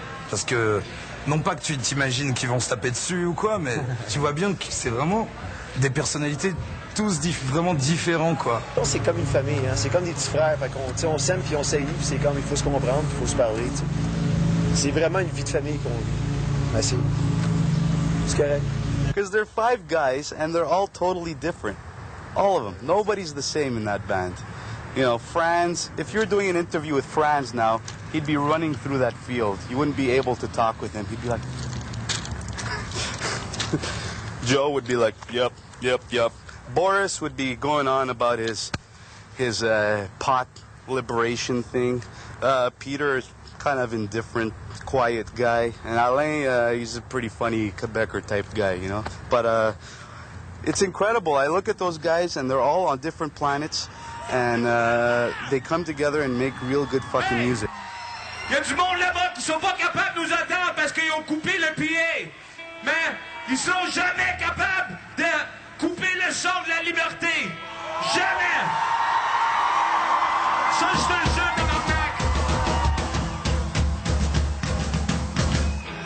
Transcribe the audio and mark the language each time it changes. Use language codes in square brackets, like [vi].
[fr] Parce que, non pas que tu t'imagines qu'ils vont se taper dessus ou quoi, mais tu vois bien que c'est vraiment des personnalités tous vraiment différentes, quoi. C'est comme une famille, hein? C'est comme des petits frères. Fait qu'on, t'sais, on s'aime puis on s'aime, puis c'est comme, il faut se comprendre, il faut se parler. T'sais. C'est vraiment une vie de famille qu'on vit. Ben, c'est correct. [en] Because they're five guys and they're all totally different. All of them. Nobody's the same in that band. You know, Franz, if you're doing an interview with Franz now, he'd be running through that field. You wouldn't be able to talk with him. He'd be like... Joe would be like, yep, yep, yep. Boris would be going on about his pot liberation thing. Peter is kind of indifferent, quiet guy. And Alain, he's a pretty funny Quebecer type guy, you know? But, it's incredible. I look at those guys and they're all on different planets. and they come together and make real good fucking music. [fr] Il y a du monde là-bas qui sont pas capables de nous attendre parce qu'ils ont coupé le PA. Mais ils sont jamais capables de couper le son de la liberté. Jamais! Ça, je te le jure, tabarnak!